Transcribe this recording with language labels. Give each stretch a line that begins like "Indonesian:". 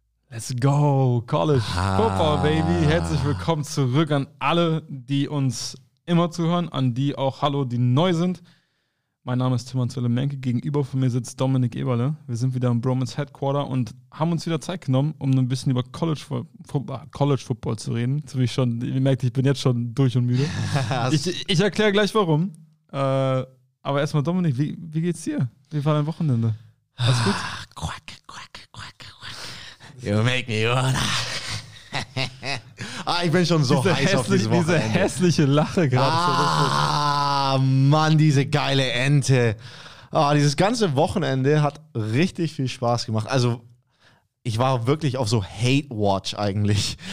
English: Let's go, College Football, baby.
German: Herzlich willkommen zurück an alle, die uns immer zuhören, an die auch hallo, die neu sind. Mein Name ist Tim Anzuelle Menke, gegenüber von mir sitzt Dominik Eberle. Wir sind wieder im Bromance Headquarter und haben uns wieder Zeit genommen, um ein bisschen über College Football zu reden. So wie ich schon, ihr merkt, ich bin jetzt schon durch und müde. Ich erkläre gleich warum. Aber erstmal Dominik, wie geht's dir? Wie war dein Wochenende? Alles gut? Quack, quack, quack, quack.
English: You make me wanna.
German: Ich bin schon so diese heiß auf dieses Wochenende. Diese hässliche Lache gerade. Mann, diese geile Ente. Oh, dieses ganze Wochenende hat richtig viel Spaß gemacht. Also, ich war wirklich auf so Hate-Watch eigentlich.